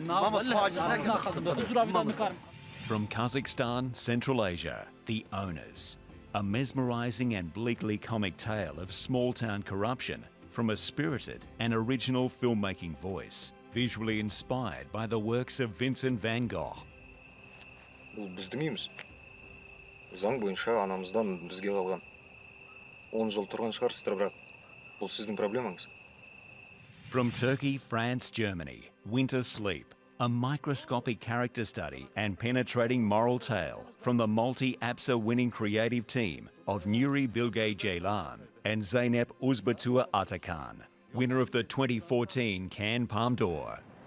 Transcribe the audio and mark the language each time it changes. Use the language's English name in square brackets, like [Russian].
[English] From Kazakhstan, Central Asia, The Owners, a mesmerizing and bleakly comic tale of small-town corruption from a spirited and original filmmaking voice, visually inspired by the works of Vincent van Gogh. [Kazakh] Заң бойынша анамыздан бізге қалған 10 жыл тұрған шығарсыздар, бірақ бұл сіздің проблемаңыз. [English] From Turkey, France, Germany, Winter Sleep, a microscopic character study and penetrating moral tale from the multi-APSA winning creative team of Nuri Bilge Ceylan and Zeynep Uzbatua Atakan, winner of the 2014 Cannes Palme d'Or.